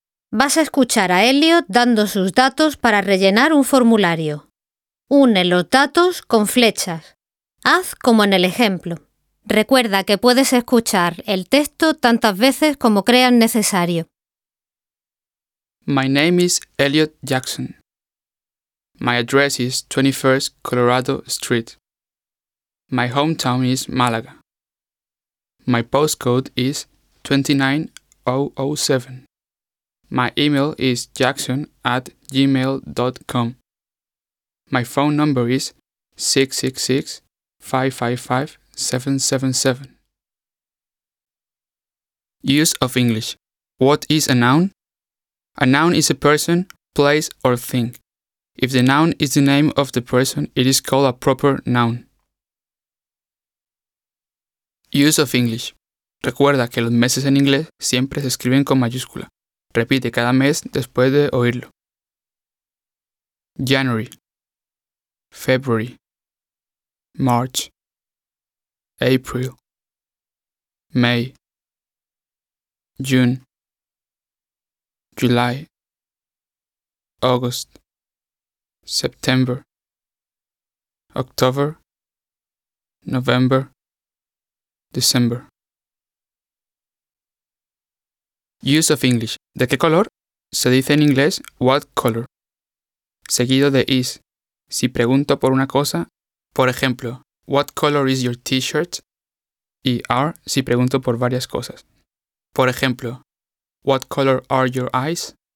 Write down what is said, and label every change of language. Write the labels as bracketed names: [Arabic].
[Spanish] Vas a escuchar a Elliot dando sus datos para rellenar un formulario. Une los datos con flechas. Haz como en el ejemplo. Recuerda que puedes escuchar el texto tantas veces como creas necesario. [English] My name is Elliot Jackson. My address is 21st Colorado Street. My hometown is Málaga. My postcode is 29007. My email is jackson@gmail.com. My phone number is 666-555-777. Use of English. What is a noun? A noun is a person, place, or thing. If the noun is the name of the person, it is called a proper noun. Use of English. [Spanish] Recuerda que los meses en inglés siempre se escriben con mayúscula. Repite cada mes después de oírlo. [English] January, February, March, April, May, June, July, August, September, October, November, December. Use of English. [Spanish] ¿De qué color? Se dice en inglés, [English] what color? [Spanish] Seguido de is. Si pregunto por una cosa, por ejemplo, [English] what color is your t-shirt? [Spanish] Y are si pregunto por varias cosas. Por ejemplo, [English] what color are your eyes?